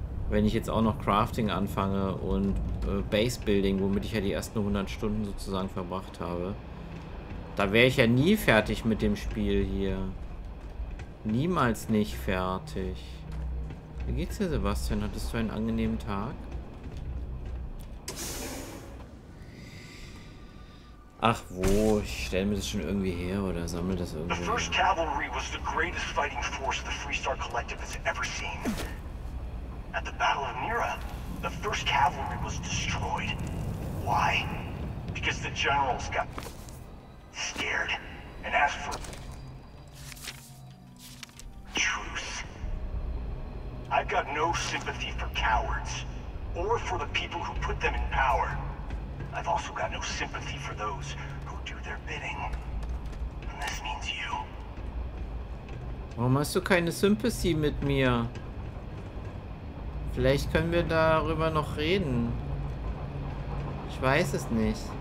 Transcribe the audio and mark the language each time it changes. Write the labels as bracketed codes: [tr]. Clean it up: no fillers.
[de] Wenn ich jetzt auch noch Crafting anfange und Base Building, womit ich ja die ersten 100 Stunden sozusagen verbracht habe, da wäre ich ja nie fertig mit dem Spiel hier. Niemals nicht fertig. Wie geht's dir, Sebastian? Hattest du einen angenehmen Tag? Ach wo, ich stelle mir das schon irgendwie her oder sammle das irgendwie. [en] The First Cavalry was the greatest fighting force the Freestar Collective has ever seen. At the Battle of Nera, the First Cavalry was destroyed. Why? Because the generals got scared and asked for truth. I've got no sympathy for cowards or for the people who put them in power. I've also got no sympathy for those who do their bidding. And this means you. [de] Warum hast du keine Sympathie mit mir? Vielleicht können wir darüber noch reden. Ich weiß es nicht.